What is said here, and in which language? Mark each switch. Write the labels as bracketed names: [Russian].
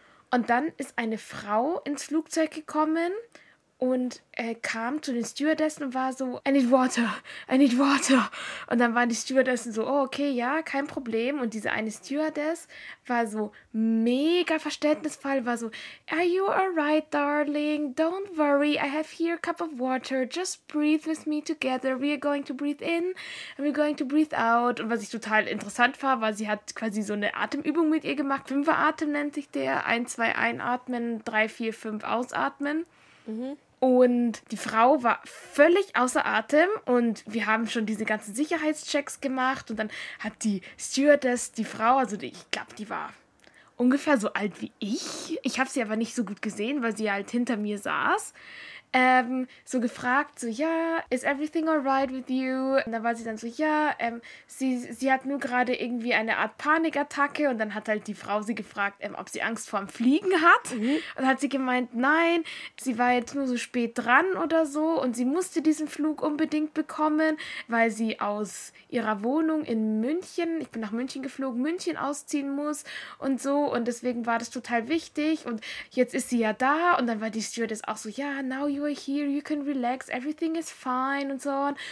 [German] Und dann ist eine Frau ins Flugzeug gekommen und kam zu den Stewardessen und war so: [English] I need water, I need water. [German] Und dann waren die Stewardessen so: Oh, okay, ja, kein Problem. Und diese eine Stewardess war so mega verständnisvoll, war so: [English] Are you alright, darling? Don't worry, I have here a cup of water. Just breathe with me together. We are going to breathe in and we're going to breathe out. [German] Und was ich total interessant war, war, sie hat quasi so eine Atemübung mit ihr gemacht. Fünferatem nennt sich der. Ein, zwei einatmen, drei, vier, fünf ausatmen. Und die Frau war völlig außer Atem und wir haben schon diese ganzen Sicherheitschecks gemacht und dann hat die Stewardess, die Frau, also ich glaube, die war ungefähr so alt wie ich. Ich habe sie aber nicht so gut gesehen, weil sie halt hinter mir saß. So gefragt, so, ja, [English] is everything alright with you? [German] Und dann war sie dann so, ja, sie hat nur gerade irgendwie eine Art Panikattacke und dann hat halt die Frau sie gefragt, ob sie Angst vorm Fliegen hat. Und hat sie gemeint, nein, sie war jetzt nur so spät dran oder so und sie musste diesen Flug unbedingt bekommen, weil sie aus ihrer Wohnung in München, ich bin nach München geflogen, München ausziehen muss und so und deswegen war das total wichtig und jetzt ist sie ja da und dann war die Stewardess auch so, ja, [English] now you are here, you can relax, everything is fine [German] und so.